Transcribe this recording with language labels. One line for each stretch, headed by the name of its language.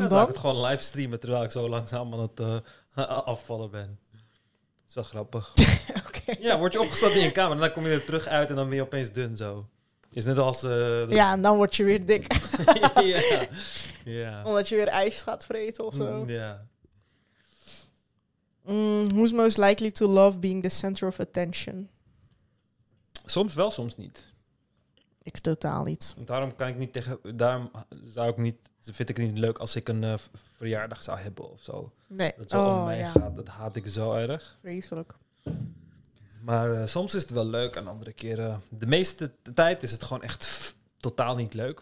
Dutch: dan zou ik het gewoon livestreamen, terwijl ik zo langzaam aan het afvallen ben. Dat is wel grappig. Okay. Ja, word je opgesloten in je kamer en dan kom je er terug uit en dan ben je opeens dun zo. Is net als... Ja, en dan word je weer dik. Ja. Ja. Omdat je weer ijs gaat vreten of zo. Ja.
English: Who's most likely to love being the center of attention?
Dutch: Soms wel, soms niet. Ik totaal niet. Daarom kan ik niet tegen... Daarom zou ik niet... Vind ik het niet leuk als ik een verjaardag zou hebben of zo. Nee. Dat zo om mij gaat. Dat haat ik zo erg. Vreselijk. Maar soms is het wel leuk en andere keren... De meeste tijd is het gewoon echt totaal niet leuk.